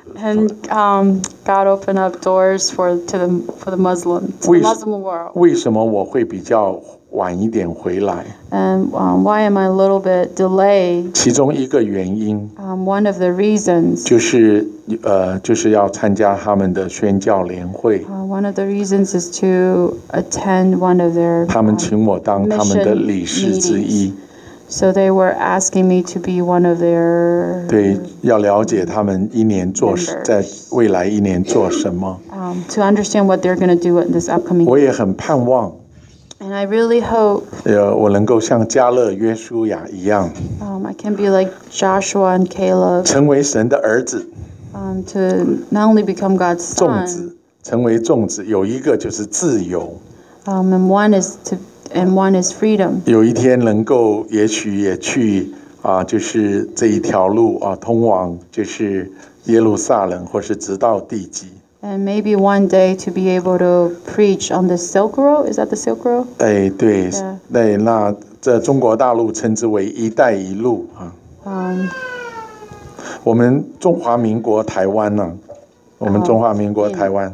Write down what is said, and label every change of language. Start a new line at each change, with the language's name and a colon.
English: And God opened up doors for the Muslim, to the Muslim world.
Chinese: 为什么我会比较？晚一点回来,
English: and why am I a little bit delayed?
Chinese: 其中一个原因,
English: one of the reasons
Chinese: 就是要参加他们的宣教联会。
English: One of the reasons is to attend one of their
Chinese: 他们请我当他们的理事之一。
English: So they were asking me to be one of their
Chinese: 对, 要了解他们一年做在未来一年做什么。
English: To understand what they're going to do in this upcoming
Chinese: year. 我也很盼望。
English: And I really hope
Chinese: 我能够像加勒约书亚一样
English: I can be like Joshua and Caleb
Chinese: 成为神的儿子
English: To not only become God's son
Chinese: 种子 成为种子 有一个就是自由
English: And one is freedom
Chinese: 有一天能够也许也去 就是这一条路 通往 就是耶路撒冷或是直到地极
English: And maybe one day to be able to preach on the Silk Road. Is that the Silk Road?
Chinese: 哎，对， yeah. 对，那这中国大陆称之为一带一路 我们中华民国台湾呢，我们中华民国台湾。